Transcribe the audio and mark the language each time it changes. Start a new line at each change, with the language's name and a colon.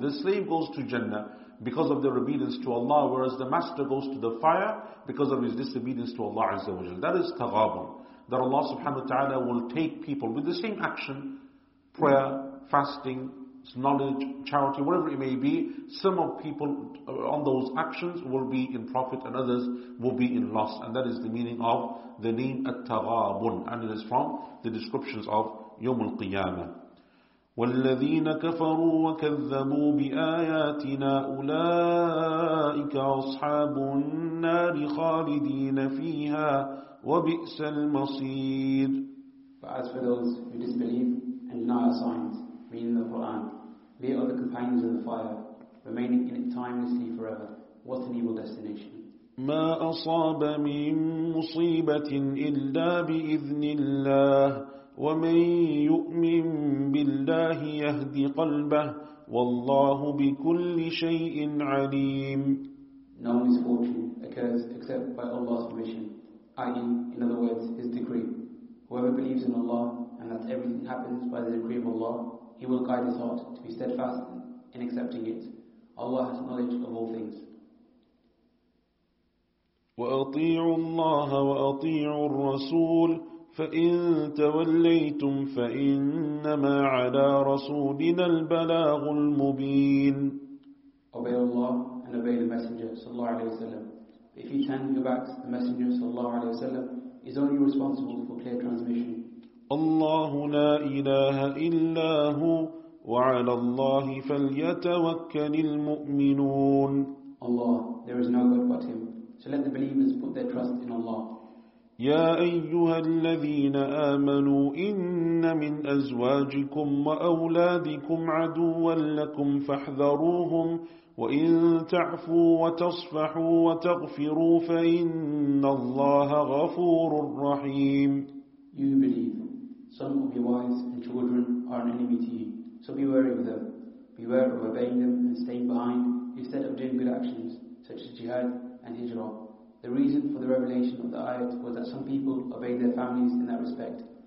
English: The slave goes to Jannah because of their obedience to Allah, whereas the master goes to the fire because of his disobedience to Allah Azza wa Jalla. That is taghabun, that Allah subhanahu wa ta'ala will take people with the same action, prayer, fasting, knowledge, charity, whatever it may be, some of people on those actions will be in profit and others will be in loss. And that is the meaning of the name at-taghabun. And it is from the descriptions of
Arabic: يوم القيامة. والذين كفروا وكذبوا بآياتنا أولئك أصحاب النار خالدين فيها وبئس المصير.
English: But as for those who disbelieve and deny our signs, meaning the Quran, they are the companions of the fire, remaining in it timelessly forever. What an evil destination.
Arabic: ما أصاب من مصيبة إلا بإذن الله. وَمَن يُؤْمِن بِاللَّهِ يَهْدِ قَلْبَهُ وَاللَّهُ بِكُلِّ شَيْءٍ عَلِيمٌ.
English: No misfortune occurs except by Allah's permission, i.e., in other words, His decree. Whoever believes in Allah and that everything happens by the decree of Allah, He will guide his heart to be steadfast in accepting it. Allah has knowledge of all things.
Arabic: وَأَطِيعُوا اللَّهَ وَأَطِيعُوا الرَّسُولَ فَإِنْ تَوَلَّيْتُمْ فَإِنَّمَا عَلَى رَسُولِنَا الْبَلَاغُ الْمُبِينَ.
English: Obey Allah and obey the Messenger sallallahu alayhi wa sallam. If you turn your backs, the Messenger sallallahu alayhi wa sallam is only responsible for clear transmission.
Arabic: الله لا إله إلا هو وعلى الله فليتوكل المؤمنون.
English: Allah, there is no God but Him. So let the believers put their trust in Allah.
Arabic: يا أيها الذين آمنوا إن من أزواجكم وأولادكم عدوا لكم فاحذروهم وإن تعفوا وتصفحوا وتغفروا فإن الله غفور رحيم.
English: You believe, some of your wives and children are an enemy to you, so be wary of them. Beware of obeying them and staying behind instead of doing good actions such as jihad and hijrah. The reason for the revelation of the ayat was that some people obey their families in that respect.